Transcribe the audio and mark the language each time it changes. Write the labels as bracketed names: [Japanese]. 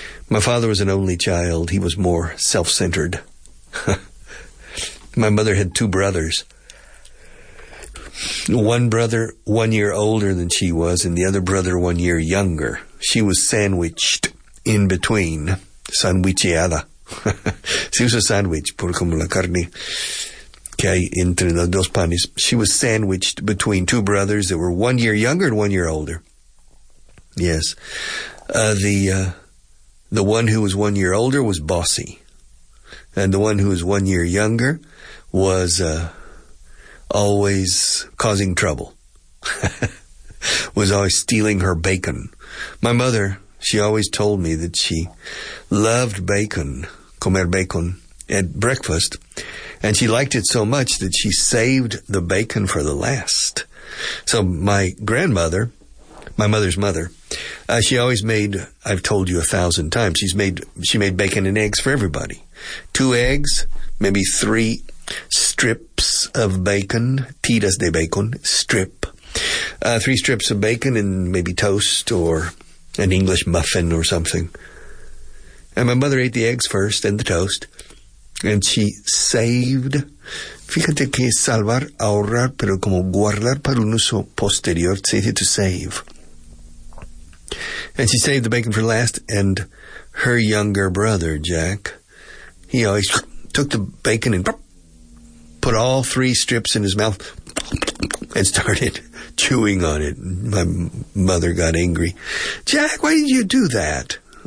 [English] My father was an only child. He was more self-centered. My mother had two brothers. One brother 1 year older than she was, and the other brother 1 year younger. She was sandwiched in between. Sandwicheada. [Spanish] Se usa sandwich, por como la carne que hay entre los dos panes. [English] She was sandwiched between two brothers that were 1 year younger and 1 year older. Yes. The one who was 1 year older was bossy. And the one who was 1 year younger was always causing trouble. Was always stealing her bacon. My mother, she always told me that she loved bacon, comer bacon, at breakfast. And she liked it so much that she saved the bacon for the last. So my grandmother, my mother's mother, she always made, I've told you 1,000 times, she made bacon and eggs for everybody. 2 eggs, maybe 3 strips of bacon, tiras de bacon, strip. 3 strips of bacon and maybe toast or an English muffin or something. And my mother ate the eggs first and the toast. And she saved. [Spanish] Fíjate que salvar, ahorrar, pero como guardar para un uso posterior, se dice to save. [English] And she saved the bacon for last, and her younger brother, Jack, he always took the bacon and put all 3 strips in his mouth and started chewing on it. My mother got angry. Jack, why did you do that?